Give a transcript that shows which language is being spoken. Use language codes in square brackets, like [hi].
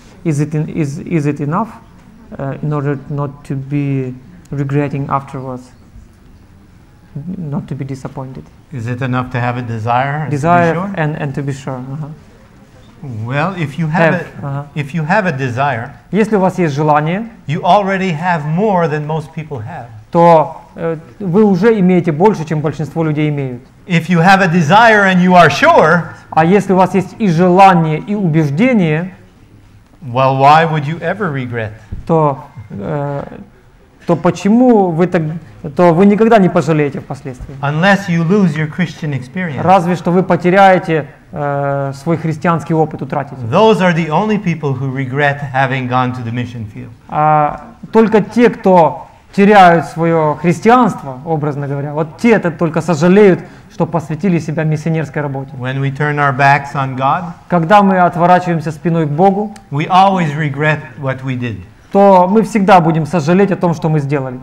[en] Is it enough in order not to be regretting afterwards, not to be disappointed? Is it enough to have a desire? Desire to be sure? and to be sure. Well, if you have a desire, [ru] если у вас есть желание, [en] you already have more than most people have. [ru] То вы уже имеете больше, чем большинство людей имеют. [en] If you have a desire and you are sure, [ru] а если у вас есть и желание, и убеждение, [en] well, why would you ever regret? [ru] То почему вы так, то вы никогда не пожалеете впоследствии. [en] Unless you lose your Christian experience. [ru] Разве что вы потеряете свой христианский опыт, утратите. [en] Those are the only people who regret having gone to the mission field. [ru] Только те, кто теряют свое христианство, образно говоря, вот те это только сожалеют, что посвятили себя миссионерской работе. [en] When we turn our backs on God, [ru] когда мы отворачиваемся спиной к Богу, [en] we always regret what we did. [ru] То мы всегда будем сожалеть о том, что мы сделали.